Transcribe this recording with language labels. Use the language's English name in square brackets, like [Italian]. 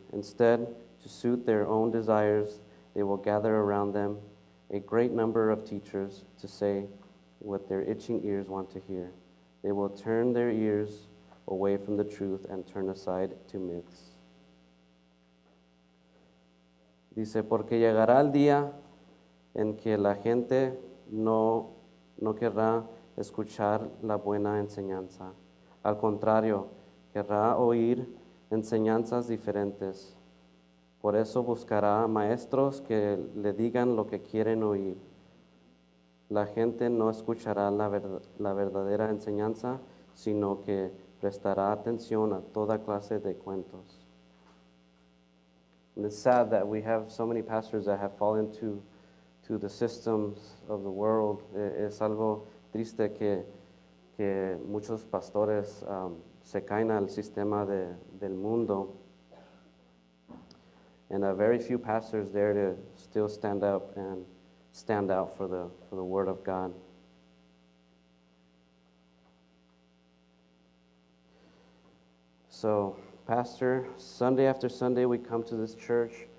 [English] Instead, to suit their own desires, they will gather around them a great number of teachers to say what their itching ears want to hear. They will turn their ears away from the truth and turn aside to myths." [Spanish] Dice, porque llegará el día en que la gente no querrá escuchar la buena enseñanza. Al contrario, querrá oír enseñanzas diferentes. Por eso buscará maestros que le digan lo que quieren oír. La gente no escuchará la verdadera enseñanza, sino que prestará atención a toda clase de cuentos. [English] And it's sad that we have so many pastors that have fallen to the systems of the world. [Spanish] Es algo triste que muchos pastores se caen al sistema del mundo. [English] And a very few pastors there to still stand up and stand out for the word of God. So, Pastor, Sunday after Sunday we come to this church.